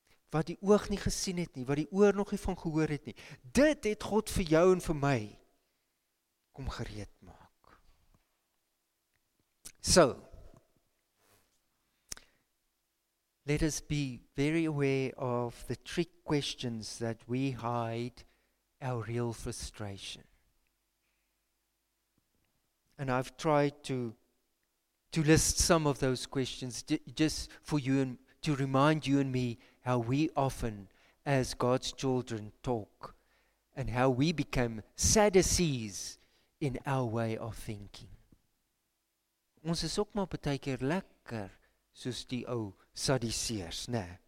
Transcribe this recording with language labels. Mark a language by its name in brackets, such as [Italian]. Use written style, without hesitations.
[Afrikaans] Wat die oog nie gesien het nie, wat die oor nog nie van gehoor het nie, dit het God vir jou en vir my kom gereed maak. [English] So, let us be very aware of the trick questions that we hide our real frustration. And I've tried to list some of those questions just for you and to remind you and me how we often, as God's children, talk and how we become Sadducees in our way of thinking. [Afrikaans] Ons is ook maar baie keer lekker soos die ou Sadduseërs, né?